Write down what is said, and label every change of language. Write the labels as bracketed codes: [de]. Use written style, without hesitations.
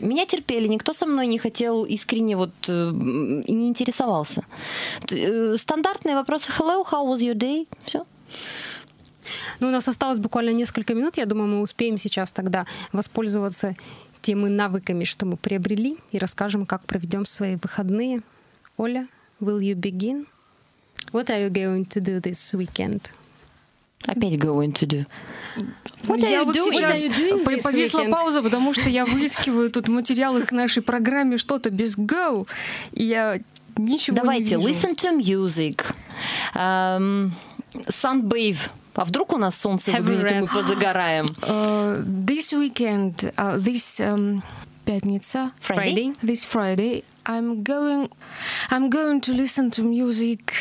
[ru] Меня терпели, никто со мной не хотел искренне вот и не интересовался. Стандартные вопросы: [en] hello, how was your day? Все. [ru] Ну, у нас осталось буквально несколько минут, я думаю, мы успеем сейчас тогда воспользоваться теми навыками, что мы приобрели, и расскажем, как проведем свои выходные. [en] Оля, will you begin? What are you going to do this weekend? [ru] Опять [en] going to do. What are you doing? What are you doing this weekend? [ru] Повисла пауза, потому что я выискиваю тут материалы к нашей программе, что-то без go, и я ничего Давайте, не вижу. Давайте, [en] listen to music. Sunbathe. [ru] А вдруг у нас солнце выглядит, и мы позагораем? [en] This weekend, this пятница. Friday. This Friday, I'm going to listen to music.